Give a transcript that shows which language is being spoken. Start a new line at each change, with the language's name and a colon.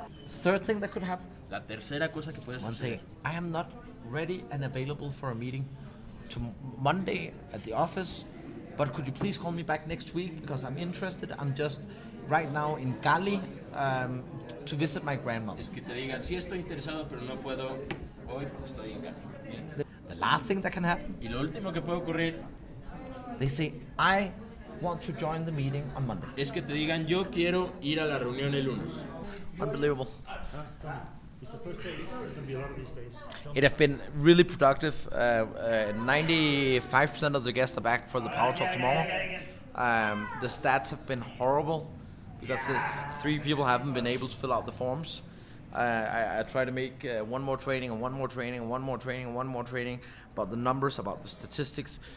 English: Third thing that could happen,
Spanish: la tercera cosa que puede suceder,
English: one say, I am not ready and available for a meeting to Monday at the office, but could you please call me back next week because I'm interested. I'm just right now in Cali to visit my grandmother.
Spanish: Es que te digan, sí estoy interesado, pero no puedo hoy porque estoy en Cali.
English: The last thing that can happen.
Spanish: Y lo último que puede ocurrir.
English: They say, I want to join the meeting on Monday.
Spanish: Es que te digan, yo quiero ir a la reunión el lunes.
English: Unbelievable. It's the first day. There's going to be a lot of these days. It has been really productive. 95% of the guests are back for the power talk tomorrow. The stats have been horrible because there's three people haven't been able to fill out the forms. I try to make one more training, about the numbers, about the statistics.